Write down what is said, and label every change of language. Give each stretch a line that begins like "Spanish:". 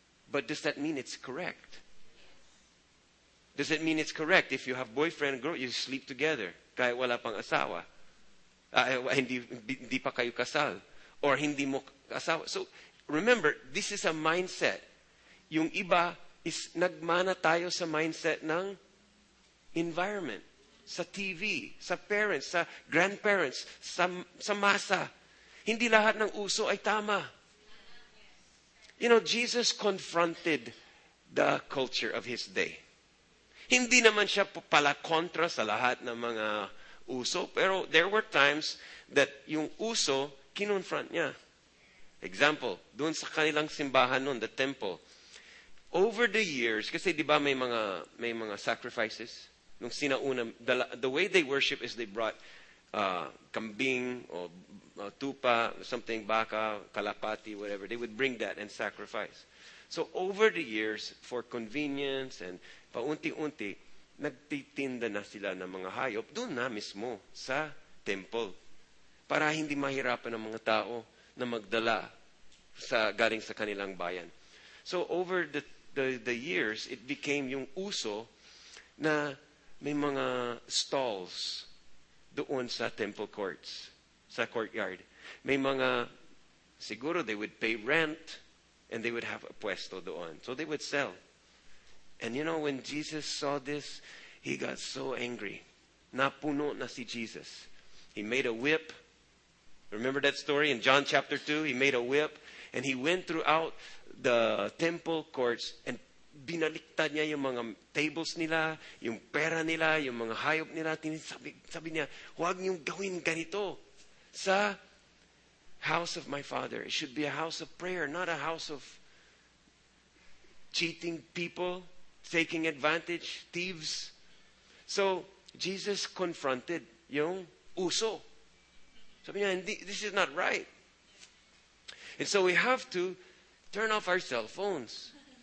English: But does that mean it's correct? Does it mean it's correct if you have boyfriend and girl, you sleep together,
Filipino: kahit wala pang asawa, hindi pa kayo kasal,
English: or
Filipino: hindi mo asawa.
English: So, remember, this is a mindset.
Filipino: Yung iba is nagmana tayo sa mindset ng environment, sa TV, sa parents, sa grandparents, sa masa. Hindi lahat ng uso ay tama.
English: You know, Jesus confronted the culture of his day.
Filipino: Hindi naman siya pala kontra sa lahat ng mga uso. Pero
English: there were times that
Filipino: yung uso, kinonfront niya. Example, doon sa kanilang simbahan noon, the temple.
English: Over the years,
Filipino: kasi di ba may mga sacrifices? Nung sinaunan,
English: the way they worship is they brought kambing or tupa, something, baka, kalapati, whatever. They would bring that and sacrifice. So over the years, for convenience
Filipino: and paunti-unti, nagtitinda na sila ng mga hayop doon na mismo sa temple para hindi mahirapan ang mga tao na magdala sa galing sa kanilang bayan.
English: So over the years, it became
Filipino: yung uso na may mga
English: stalls doon sa temple courts, sa courtyard. May mga, siguro they would pay rent and they would have a puesto doon. So they would sell. And you know, when Jesus saw this, he got so angry.
Filipino: Napuno na si Jesus.
English: He made a whip. Remember that story in John chapter 2? He made a whip and he went throughout the temple courts and
Filipino: binaliktad niya yung mga tables nila, yung pera nila, yung mga hayop nila. Sabi niya, huwag niyong gawin ganito sa
English: house of my Father. It should be a house of prayer, not a house of cheating people, taking advantage, thieves. So, Jesus confronted
Filipino: yung uso. Sabi niya,
English: this is not right. And so we have to turn off our cell phones.